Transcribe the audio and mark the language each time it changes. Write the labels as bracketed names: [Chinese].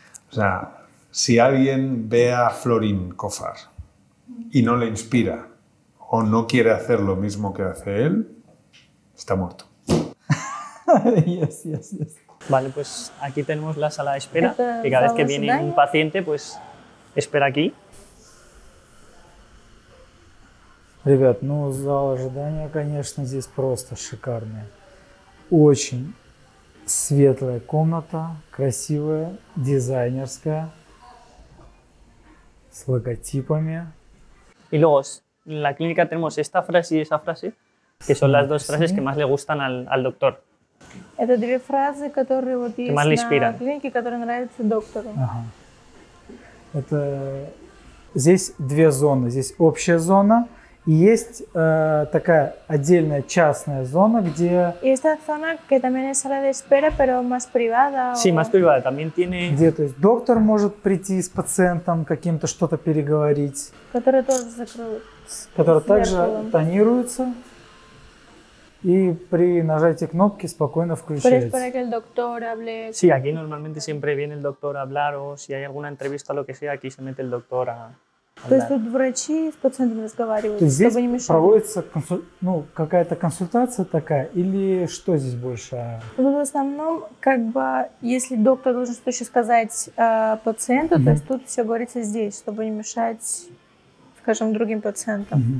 [Spanish] O sea, si alguien ve a Florín Cofar y no le inspira o no quiere hacer lo mismo que hace él, está muerto. [English] Yes, yes, yes. [Spanish] Vale, pues aquí tenemos la sala de espera. Y cada vez que viene un paciente, pues espera aquí. [Russian] Ребят, ну, зал ожидания, конечно, здесь просто шикарный. Очень светлая комната, красивая, дизайнерская, с логотипами. [Spanish] Y luego, en la clínica tenemos esta frase y esa frase, que son las dos frases que más le gustan al doctor. [Russian] Это две фразы, которые вот есть на клинике, которые нравятся доктору. Ага. Это здесь две зоны. Здесь общая зона и есть такая отдельная частная зона, где... И эта зона, [Spanish] que también es sala de espera, pero más privada. Sí, más privada. También tiene... [Russian] Где, то есть, доктор может прийти с пациентом, каким-то что-то переговорить. Который тоже закрыт. Который также тонируется. И при нажатии кнопки спокойно включается. [Spanish] Para que el doctor hable. Sí, aquí normalmente siempre viene el doctor a hablar o si hay alguna entrevista lo que sea, aquí se mete el doctor a hablar. [Russian] То есть тут врачи с пациентами разговаривают, чтобы не мешали. Здесь проводится какая-то консультация такая или что здесь больше? Тут в основном, как бы, если доктор должен что-то еще сказать пациенту, то есть тут все говорится здесь, чтобы не мешать, скажем, другим пациентам.